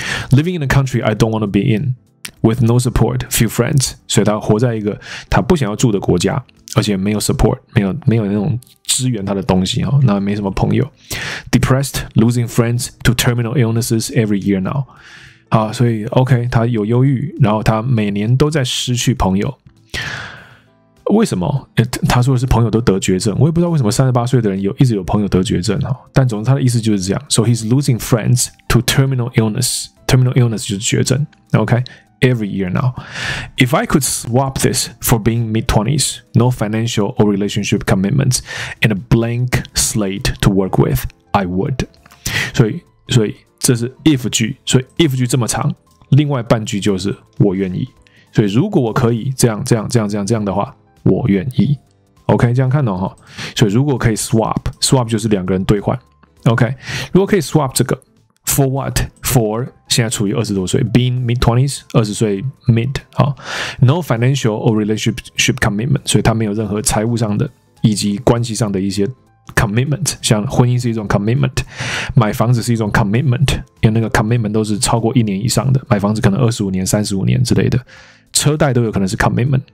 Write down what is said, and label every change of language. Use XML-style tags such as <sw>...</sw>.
<en>Living in a country I don't want to be in with no support, few friends.</en> <zh>所以他活在一个他不想要住的国家，而且没有 support， 没有那种支援他的东西，那没什么朋友。</zh> <en>Depressed, losing friends to terminal illnesses every year now.</en> <zh>好，所以 OK， 他有忧郁，然后他每年都在失去朋友。为什么？他说的是朋友都得绝症，我也不知道为什么38岁的人有一直有朋友得绝症，但总之他的意思就是这样。</zh> <en>So he's losing friends to terminal illness. Terminal illness</en> <zh>就是绝症，</zh> <en>OK。Every year now. If I could swap this for being mid-20s, no financial or relationship commitments, and a blank slate to work with, I would.</en> <zh>所以这是 if 句，所以 if 句这么长，另外半句就是我愿意。所以如果我可以这样的话，我愿意。 OK， 这样看懂哈。所以如果可以 swap 就是两个人兑换。 OK， 如果可以 swap 这个。</zh> <en>For what? For</en> <zh>现在处于二十多岁 ，</zh> <en>being mid twenties，</en> <zh>二十岁 mid 啊 ，</zh> <en>no financial or relationship commitment，</en> <zh>所以他没有任何财务上的以及关系上的一些 commitment， 像婚姻是一种 commitment， 买房子是一种 commitment， 因为那个 commitment 都是超过一年以上的，买房子可能25年、35年之类的，车贷都有可能是 commitment。</zh>